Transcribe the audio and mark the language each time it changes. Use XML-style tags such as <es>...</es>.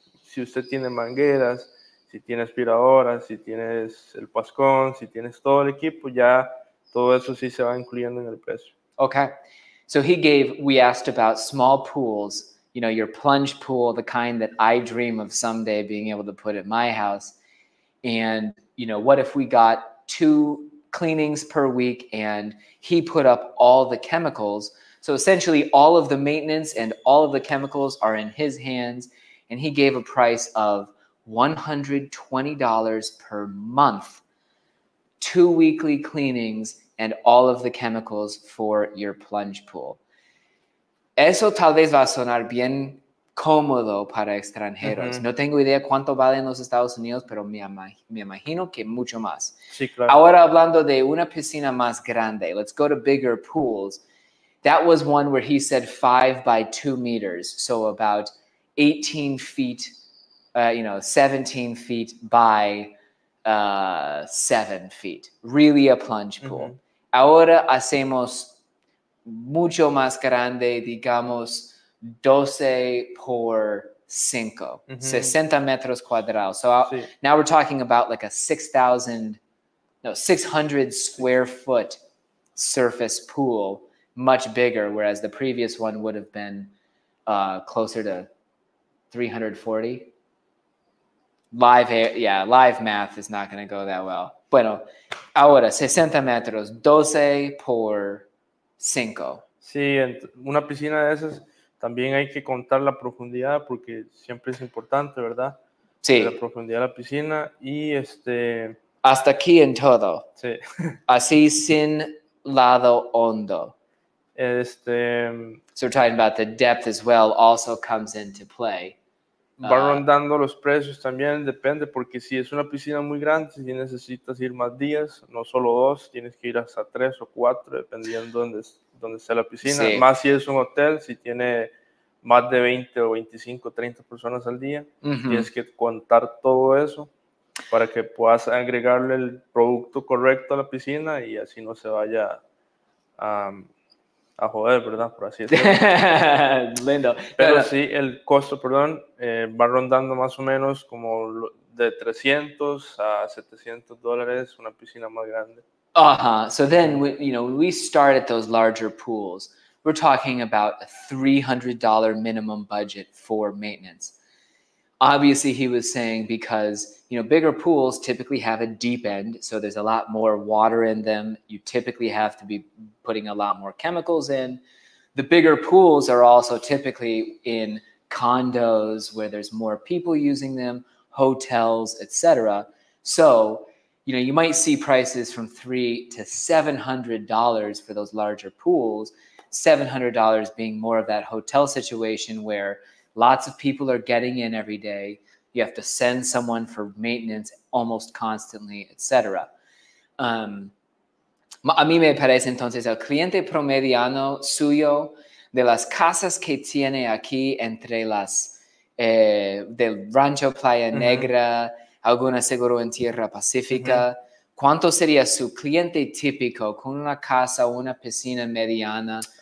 <es>Si usted tiene mangueras, si tiene aspiradoras, si tienes el pascón, si tienes todo el equipo, ya todo eso sí se va incluyendo en el precio.</es> <en>Okay. So he gave, we asked about small pools. you know, your plunge pool, the kind that I dream of someday being able to put at my house. And, you know, what if we got 2 cleanings per week and he put up all the chemicals? So essentially all of the maintenance and all of the chemicals are in his hands. And he gave a price of $120 per month, 2 weekly cleanings and all of the chemicals for your plunge pool.</en> <es>Eso tal vez va a sonar bien cómodo para extranjeros. Mm-hmm. No tengo idea cuánto vale en los Estados Unidos, pero me imagino que mucho más. Sí, claro. Ahora hablando de una piscina más grande,</es> <en>let's go to bigger pools. That was one where he said 5 by 2 meters, so about 18 feet, 17 feet by 7 feet. Really a plunge pool. Mm-hmm.</en> <es>Ahora hacemos mucho más grande, digamos 12 por 5, mm-hmm. 60 metros cuadrados. So sí.</es> <en>Now we're talking about like a 600 square foot surface pool, much bigger, whereas the previous one would have been closer to 340. Live math is not going to go that well.</en> <es>Bueno, ahora 60 metros, 12 por 5. Sí, una piscina de esas también hay que contar la profundidad porque siempre es importante, ¿verdad? Sí. La profundidad de la piscina y este... Hasta aquí en todo. Sí. Así sin lado hondo. Este...</es> <en>So we're talking about the depth as well also comes into play.</en> <es>Va rondando los precios también, depende, porque si es una piscina muy grande, si necesitas ir más días, no solo 2, tienes que ir hasta 3 o 4, dependiendo dónde sea la piscina. Sí. Más si es un hotel, si tiene más de 20 o 25, 30 personas al día, uh-huh. tienes que contar todo eso para que puedas agregarle el producto correcto a la piscina y así no se vaya a joder, ¿verdad? Por así decirlo. Lindo. Pero sí, el costo, perdón, va rondando más o menos como de $300 a $700 una piscina más grande. Uh-huh.</es> <en>So then, when we start at those larger pools, we're talking about a $300 minimum budget for maintenance. Obviously, he was saying because, you know, bigger pools typically have a deep end, so there's a lot more water in them. You typically have to be putting a lot more chemicals in. The bigger pools are also typically in condos where there's more people using them, hotels, etc. So, you know, you might see prices from $300 to $700 for those larger pools, $700 being more of that hotel situation where lots of people are getting in every day. You have to send someone for maintenance almost constantly, etc.</en> <es>A mí me parece entonces el cliente promediano suyo de las casas que tiene aquí entre las del Rancho Playa Negra, mm-hmm. alguna seguro en Tierra Pacífica. Mm-hmm. ¿Cuánto sería su cliente típico con una casa o una piscina mediana?</es>